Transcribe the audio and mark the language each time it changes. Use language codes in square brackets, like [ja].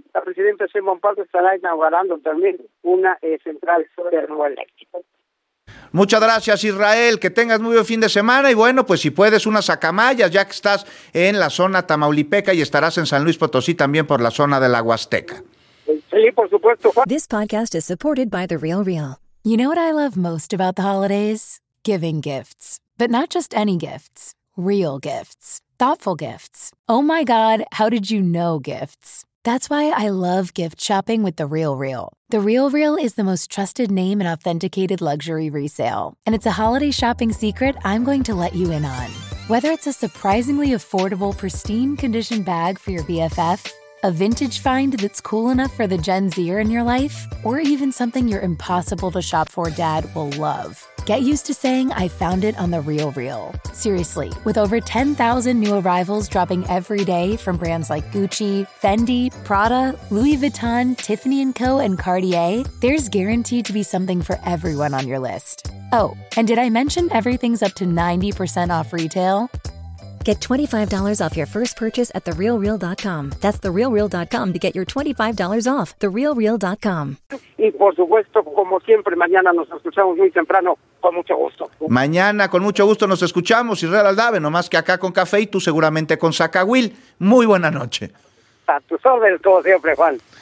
[es] La presidenta Sheinbaum Pardo estará inaugurando también una central termoeléctrica. Muchas gracias, Israel, que tengas muy buen fin de semana y bueno, pues si puedes unas acamayas, ya que estás en la zona tamaulipeca y estarás en San Luis Potosí también por la zona de la Huasteca. Sí, por supuesto, Juan. [en] This podcast is supported by The Real Real. You know what I love most about the holidays? Giving gifts. But not just any gifts. Real gifts. Thoughtful gifts. Oh my God, how did you know gifts? That's why I love gift shopping with The Real Real. The Real Real is the most trusted name in authenticated luxury resale. And it's a holiday shopping secret I'm going to let you in on. Whether it's a surprisingly affordable, pristine condition bag for your BFF, a vintage find that's cool enough for the Gen Zer in your life, or even something your impossible to shop for dad will love. Get used to saying, I found it on The Real Real. Seriously, with over 10,000 new arrivals dropping every day from brands like Gucci, Fendi, Prada, Louis Vuitton, Tiffany & Co., and Cartier, there's guaranteed to be something for everyone on your list. Oh, and did I mention everything's up to 90% off retail? Get $25 off your first purchase at TheRealReal.com. That's TheRealReal.com to get your $25 off. TheRealReal.com. [es] Y por supuesto, como siempre, mañana nos escuchamos muy temprano, con mucho gusto. Mañana con mucho gusto nos escuchamos, Israel Aldave, no más que acá con café y tú seguramente con Sacagüil. Muy buena noche. A tus órdenes, como siempre, Juan.